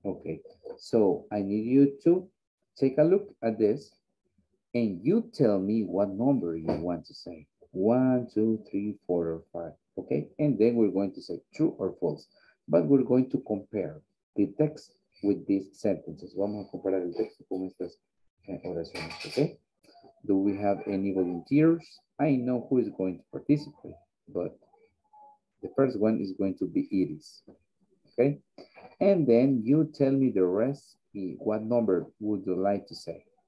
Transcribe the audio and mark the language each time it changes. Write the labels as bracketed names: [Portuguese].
[English] Okay, so I need you to take a look at this and you tell me what number you want to say. One, two, three, four, or five. Okay, and then we're going to say true or false, but we're going to compare the text with these sentences. [Spanish] Vamos a comparar el texto con estas oraciones, okay? [English] Do we have any volunteers? I know who is going to participate, but the first one is going to be Iris, okay? And then you tell me the rest, what number would you like to say?